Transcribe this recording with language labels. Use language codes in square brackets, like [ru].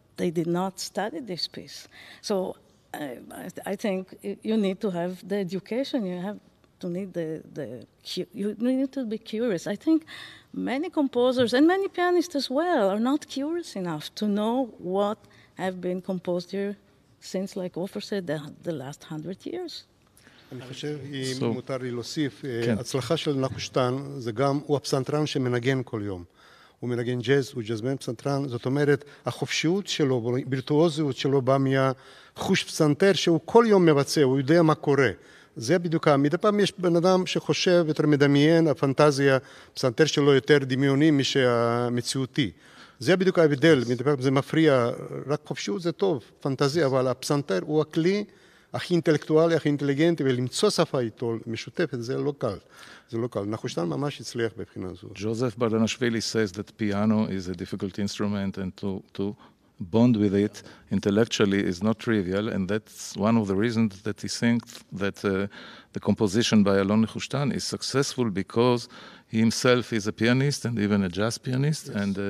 [en] They did not study this piece. So I think you need to have the education, you have to need the you need to be curious. I think many composers and many pianists as well are not curious enough to know what have been composed here since, like Ofer said, the last 100 years. [he] אני חושב, אם מותר לי להוסיף, הצלחה של נחושתן זה גם, הוא הפסנתרן שמנגן כל יום. הוא מנגן ג'אז, הוא ג'אזמן פסנתרן, זאת אומרת, החופשיות שלו, בירטואוזיות שלו בא מהחוש פסנתר שהוא כל יום מבצע, הוא יודע מה קורה. זה בדיוק, מדי פעם יש בן אדם שחושב יותר מדמיין, הפנטזיה, פסנתר שלו יותר דמיוני משהמציאותי. זה בדיוק ההבדל, מדי פעם זה מפריע, רק חופשיות זה טוב, פנטזיה, אבל הפסנתר הוא הכלי הכי אינטלקטואלי, הכי אינטליגנטי, ולמצוא שפה איתו משותפת, זה לא קל. זה לא קל. נחושתן ממש הצליח בבחינה זו. [en] ג'וזף ברדנשווילי says that piano is a difficult instrument and to bond with it intellectually is not trivial, and that's one of the reasons that he thinks that the composition by Alon Nechushtan is successful, because he himself is a pianist and even a jazz pianist. Yes.